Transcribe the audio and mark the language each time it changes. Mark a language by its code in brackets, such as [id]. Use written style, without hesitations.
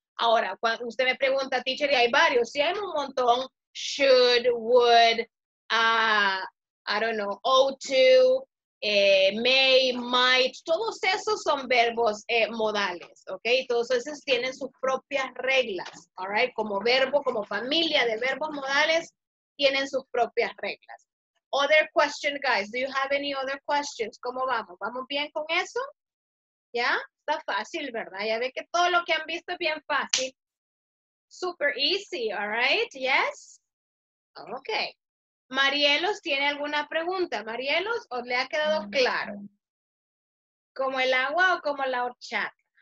[es] Ahora, cuando usted me pregunta, teacher, y hay varios, sí hay un montón, [en] should, would, I don't know, ought to, may, might, [es] todos esos son verbos modales, ¿ok? Todos esos tienen sus propias reglas, [en] all right? [es] Como verbo, como familia de verbos modales, tienen sus propias reglas. [en] Other question, guys, do you have any other questions? [es] ¿Cómo vamos? ¿Vamos bien con eso? ¿Ya? Está fácil, ¿verdad? Ya ve que todo lo que han visto es bien fácil. [en] Super easy, all right? Yes? Ok. [es] Marielos, ¿tiene alguna pregunta? Marielos, ¿os le ha quedado claro? ¿Como el agua o como la horchata?